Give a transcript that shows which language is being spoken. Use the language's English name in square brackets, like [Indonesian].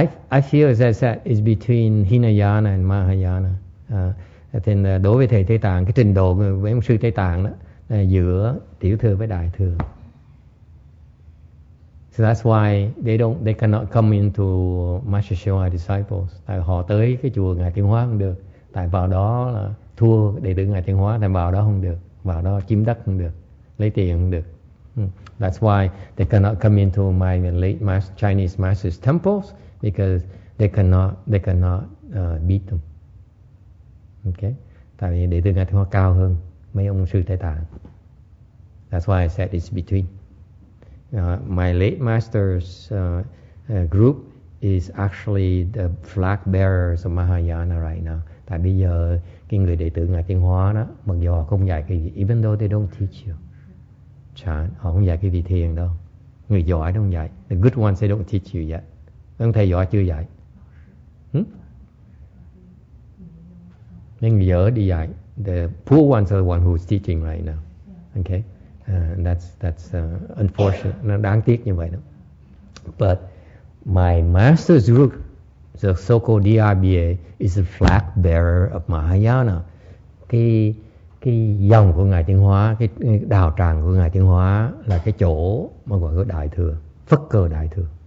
[English] I feel, as I said, it's between Hinayana and Mahayana. [Vietnamese] Thì đối với thầy Tây Tạng, cái trình độ với ông sư Tây Tạng đó là giữa tiểu thừa với đại thừa. [English] So that's why they cannot come into Master Shoa disciples. [Vietnamese] Tại họ tới cái chùa ngài Thiện Hóa không được. Tại vào đó là thua đệ tử ngài Thiện Hóa, tại vào đó không được. Vào đó chiếm đất không được, lấy tiền không được. [English] That's why they cannot come into my late master, Chinese master's temples because they cannot beat them. Okay? [Vietnamese] Tại vì đệ tử ngài Thiện Hóa cao hơn mấy ông sư Tây Tạng. [English] That's why I said it's between. My late master's group is actually the flag bearers of Mahayana right now. [Vietnamese] Tại bây giờ cái người đệ tử ngài Thiện Hóa đó, mặc dù họ không dạy cái gì, [English] even though they don't teach you Chan, [Vietnamese] họ không dạy cái gì thiền đâu. Người giỏi đâu dạy. [English] The good ones they don't teach you yet. [Vietnamese] Ông thầy giỏi chưa dạy. Nên người dở đi dạy. [English] The poor ones are the one who's teaching right now. Okay. That's unfortunate. [Vietnamese] Nó đáng tiếc như vậy đó. [English] But my master's group, the so-called DRBA, is the flag bearer of Mahayana. [Vietnamese] Cái dòng của ngài Thiện Hóa, cái đạo tràng của ngài Thiện Hóa là cái chỗ mà gọi là đại thừa, phất cờ đại thừa.